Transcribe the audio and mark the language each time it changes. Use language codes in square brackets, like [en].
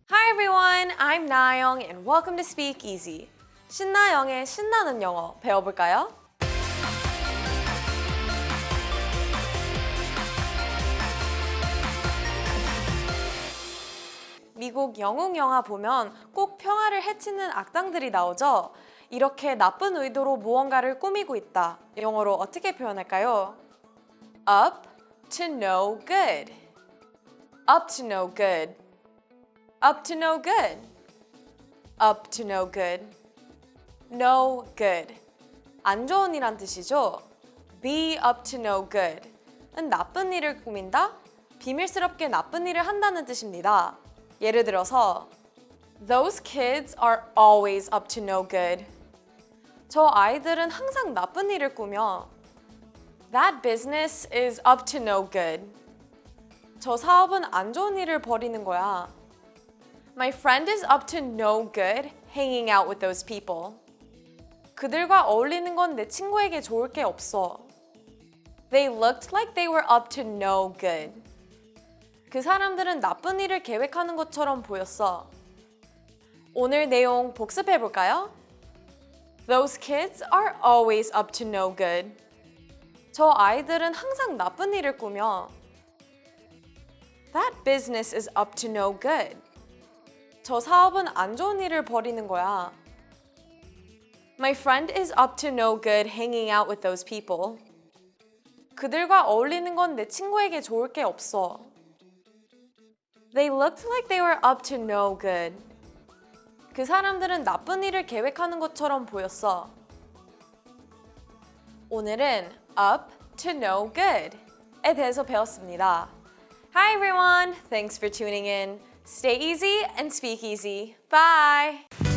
[en] Hi everyone, I'm Na-young and welcome to Speak Easy. [ko] 신나영의 신나는 영어 배워볼까요? 미국 영웅 영화 보면 꼭 평화를 해치는 악당들이 나오죠? 이렇게 나쁜 의도로 무언가를 꾸미고 있다. 영어로 어떻게 표현할까요? [en] Up to no good. Up to no good. Up to no good. Up to no good. No good. [ko] 안 좋은 이란 뜻이죠? [en] Be up to no good. [ko] 나쁜 일을 꾸민다? 비밀스럽게 나쁜 일을 한다는 뜻입니다. 예를 들어서 [en] Those kids are always up to no good. [ko] 저 아이들은 항상 나쁜 일을 꾸며 [en] That business is up to no good. [ko] 저 사업은 안 좋은 일을 벌이는 거야. [en] My friend is up to no good hanging out with those people. [ko] 그들과 어울리는 건 내 친구에게 좋을 게 없어. [en] They looked like they were up to no good. [ko] 그 사람들은 나쁜 일을 계획하는 것처럼 보였어. 오늘 내용 복습해 볼까요? [en] Those kids are always up to no good. [ko] 저 아이들은 항상 나쁜 일을 꾸며. [en] That business is up to no good. [ko] 저 사업은 안 좋은 일을 벌이는 거야. [en] My friend is up to no good hanging out with those people. [ko] 그들과 어울리는 건 내 친구에게 좋을 게 없어. [en] They looked like they were up to no good. [ko] 그 사람들은 나쁜 일을 계획하는 것처럼 보였어. 오늘은 [en] up to no good에 [ko] 대해서 배웠습니다. [en] Hi everyone! Thanks for tuning in. Stay easy and speak easy. Bye!